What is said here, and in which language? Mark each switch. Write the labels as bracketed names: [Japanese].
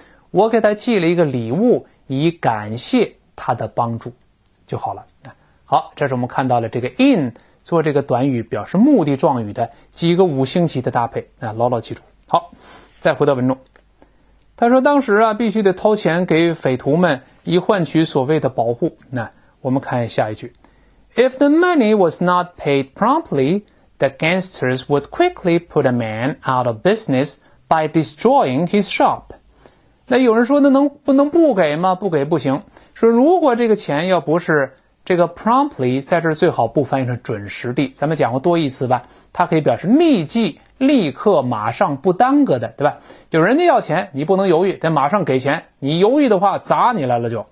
[Chinese] 我给他寄了一个礼物以感谢他的帮助就好了。好，这是我们看到了这个 in 做这个短语表示目的状语的几个五星级的搭配，牢牢记住。好，再回到文中。他说当时啊，必须得掏钱给匪徒们以换取所谓的保护。那我们看下一句。 [English] If the money was not paid promptly, the gangsters would quickly put a man out of business by destroying his shop. [Chinese] 那有人说那能不能不给吗？不给不行。说如果这个钱要不是这个 promptly, 在这最好不翻译成准时地，咱们讲过多义词吧，它可以表示立即立刻马上不耽搁的，对吧？就人家要钱你不能犹豫，得马上给钱，你犹豫的话砸你来了就。